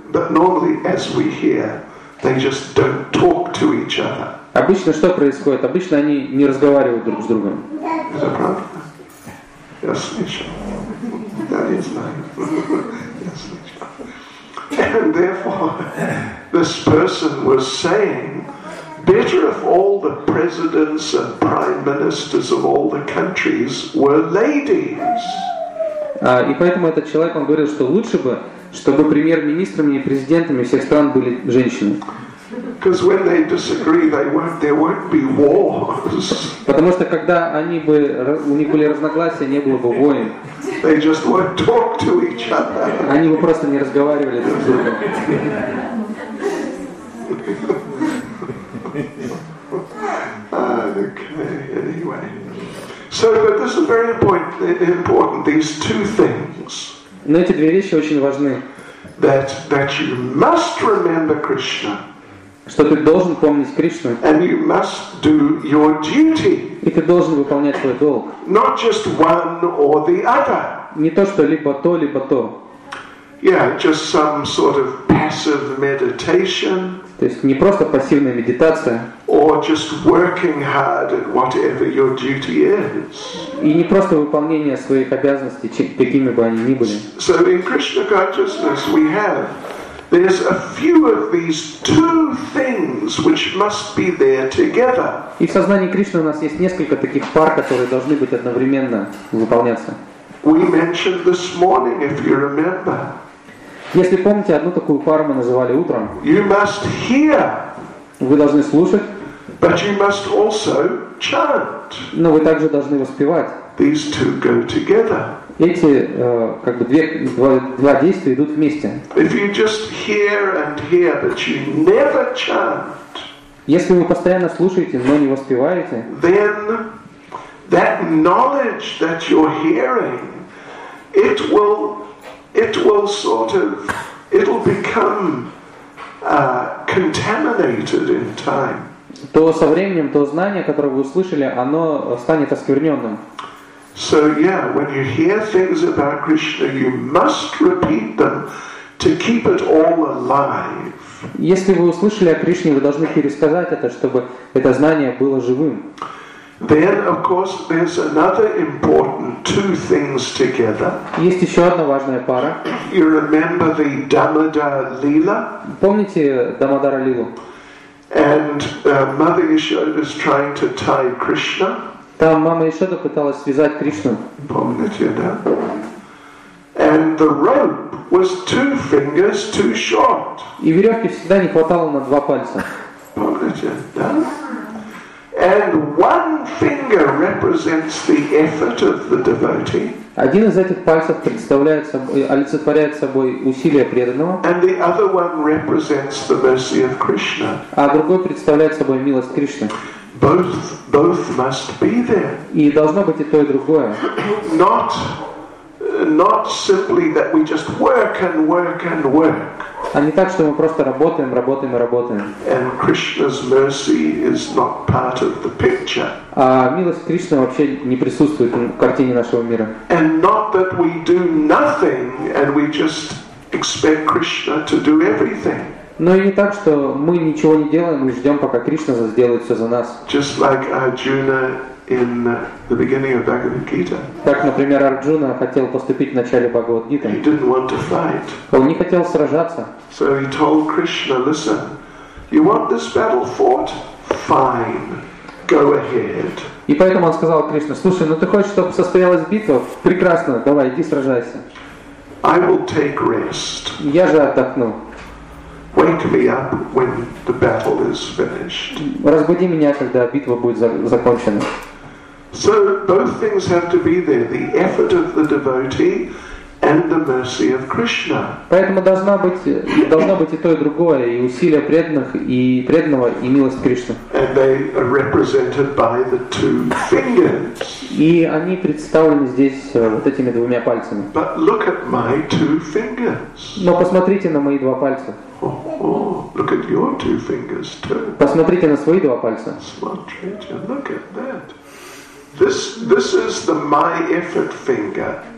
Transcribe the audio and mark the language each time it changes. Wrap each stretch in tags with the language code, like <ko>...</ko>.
<en>But normally, as we hear, they just don't talk to each other.</en> <ru>Обычно что происходит? Обычно они не разговаривают друг с другом.</ru> <en>Is that right? Yes, Nisha. That is nice. Yes, Nisha. And therefore, this person was saying, better if all the presidents and prime ministers of all the countries were ladies.</en> <ru>И поэтому этот человек, он говорил, что лучше бы, чтобы премьер-министрами и президентами всех стран были женщины.</ru> <en>Because when they disagree, there won't be wars.</en> <ru>Потому что когда они бы у них были разногласия, не было бы войн.</ru> <en>They just won't talk to each other.</en> <ru>Они бы просто не разговаривали друг с другом.</ru> <en>Okay, anyway. So, but this is very important. These two things.</en> <ru>Но эти две вещи очень важны.</ru> <en>That you must remember Krishna.</en> <ru>Что ты должен помнить Кришну.</ru> <en>And you must do your duty.</en> <ru>И ты должен выполнять свой долг.</ru> <en>Not just one or the other.</en> <ru>Не то что либо то, либо то.</ru> <en>Yeah, just some sort of passive meditation.</en> <ru>То есть не просто пассивная медитация.</ru> <en>Or just working hard at whatever your duty is.</en> <ru>И не просто выполнение своих обязанностей, какими бы они ни были.</ru> <en>So in Krishna consciousness we have there's a few of these two things which must be there together.</en> <ru>И в сознании Кришны у нас есть несколько таких пар, которые должны быть одновременно выполняться.</ru> <en>We mentioned this morning, if you remember.</en> <ru>Если помните, одну такую пару мы называли утром.</ru> <en>You must hear.</en> <ru>Вы должны слушать.</ru> <en>But you must also chant.</en> <ru>Но вы также должны воспевать.</ru> <en>These two go together.</en> <ru>Эти как бы два действия идут вместе.</ru> <en>If you just hear and hear, but you never chant.</en> <ru>Если вы постоянно слушаете, но не воспеваете.</ru> <en>Then that knowledge that you're hearing, it'll become contaminated in time.</en> <ru>То со временем то знание, которое вы услышали, оно станет оскверненным.</ru> <en>So yeah, when you hear things about Krishna, you must repeat them to keep it all alive.</en> <ru>Если вы услышали о Кришне, вы должны пересказать это, чтобы это знание было живым.</ru> <en>Then, of course, there's another important two things together.</en> <ru>Есть еще одна важная пара.</ru> <en>You remember the Damodara Leela?</en> <ru>Помните Дамодара Лилу?</ru> <en>And Mother Yashoda is trying to tie Krishna.</en> <ru>Там мама Ишода пыталась связать Кришну. Помните, да?</ru> <en>And the rope was two fingers too short.</en> <ru>И веревки всегда не хватало на два пальца. Помните, да?</ru> <en>And one finger represents the effort of the devotee.</en> <ru>Один из этих пальцев представляет собой, олицетворяет собой усилие преданного.</ru> <en>And the other one represents the mercy of Krishna.</en> <ru>А другой представляет собой милость Кришны.</ru> <en>Both must be there.</en> <ru>И должно быть и то, и другое.</ru> <en>Not, not simply that we just work and work and work.</en> <ru>А не так, что мы просто работаем, работаем и работаем.</ru> <en>And Krishna's mercy is not part of the picture.</en> <ru>А милость Кришны вообще не присутствует в картине нашего мира.</ru> <en>And not that we do nothing and we just expect Krishna to do everything.</en> <ru>Но и не так, что мы ничего не делаем и ждем, пока Кришна сделает все за нас.</ru> <en>Just like Arjuna in the beginning of Bhagavad Gita.</en> <ru>Так, например, Арджуна хотел поступить в начале Бхагавад Гиты.</ru> <en>He didn't want to fight.</en> <ru>Он не хотел сражаться.</ru> <en>So he told Krishna, listen, you want this battle fought? Fine, go ahead.</en> <ru>И поэтому он сказал Кришне, слушай, ну ты хочешь, чтобы состоялась битва? Прекрасно, давай, иди сражайся.</ru> <en>I will take rest.</en> <ru>Я же отдохну.</ru> <en>Wake me up when the battle is finished.</en> <ru>Разбуди меня, когда битва будет закончена.</ru> <en>So both things have to be there: the effort of the devotee and the mercy of Krishna.</en> <ru>Поэтому должно быть и то и другое, и усилия преданного и милость Кришны.</ru> <en>And they are represented by the two fingers.</en> <ru>И они представлены здесь вот этими двумя пальцами.</ru> <en>But look at my two fingers.</en> <ru>Но посмотрите на мои два пальца.</ru> <en>Oh, look at your two fingers too.</en> <ru>Посмотрите на свои два пальца. Смотрите,</ru> <en>look at that. This is the my effort finger.</en>